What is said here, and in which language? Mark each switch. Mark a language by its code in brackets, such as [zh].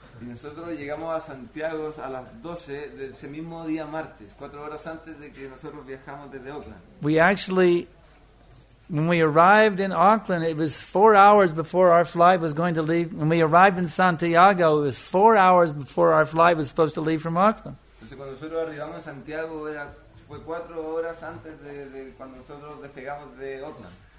[es] Y nosotros llegamos a Santiago a las 12 de ese mismo día martes, 4 horas antes de que nosotros viajamos desde Auckland. [en] We actually, when we arrived in Auckland, it was 4 hours before our flight was going to leave. When we arrived in Santiago, it was 4 hours before our flight was supposed to leave from Auckland. [es] Entonces cuando nosotros arribamos a Santiago, fue 4 horas antes de cuando nosotros despegamos de Auckland.